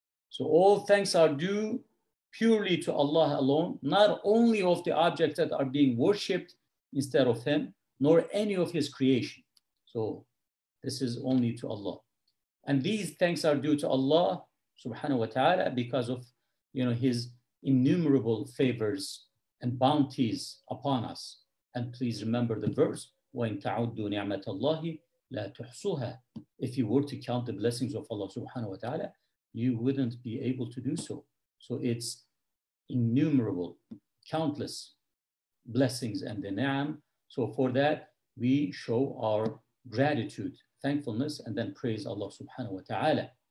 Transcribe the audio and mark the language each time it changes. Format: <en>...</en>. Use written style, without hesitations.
<en>So all thanks are due purely to Allah alone, not only of the objects that are being worshipped instead of Him, nor any of His creation. So this is only to Allah. And these thanks are due to Allah subhanahu wa ta'ala because of, you know, His innumerable favors and bounties upon us. And please remember the verse,</en> <ar>وَإِن تَعُدُّ نِعْمَةَ اللَّهِ لَا تُحْصُوهَا.</ar> <en>If you were to count the blessings of Allah subhanahu wa ta'ala, you wouldn't be able to do so. So it's innumerable, countless blessings and the ni'am. So for that, we show our gratitude, thankfulness, and then praise Allah subhanahu wa ta'ala.</en>